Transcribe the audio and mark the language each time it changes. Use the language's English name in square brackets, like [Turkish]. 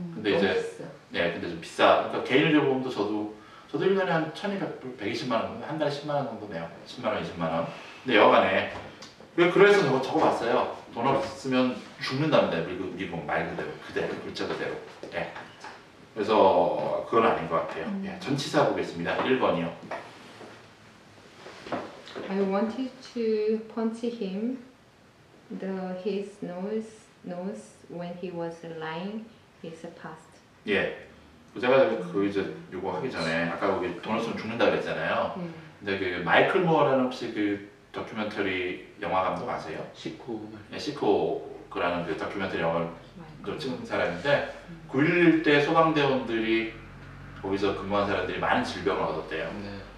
[Korean] 근데 이제 네, 근데 좀 비싸. 그러니까 개인 의료보험도 저도 1년에 한 1,200불, 120만 원, 한 달에 10만 원 정도 내요. 10만 원, 20만 원. 근데 여간에 그래서 저거 적어봤어요. 돈 없으면 죽는다는데 미국 말 그대로 글자 그대로. 예. 그래서 그건 아닌 것 같아요. 예. 전치사 보겠습니다. 1번이요. [English] I wanted to punch him the his nose when he was lying his past. [Korean] 예. 제가 그 이제 요거 하기 전에 아까 거기 돈 없으면 죽는다 그랬잖아요. 근데 그 마이클 무어라는 혹시 그 다큐멘터리 영화 감독 아세요? 시코. 네, 시코라는 그 다큐멘터리 영화를 찍은 사람인데 9.11 때 소방대원들이 거기서 근무한 사람들이 많은 질병을 얻었대요. 네.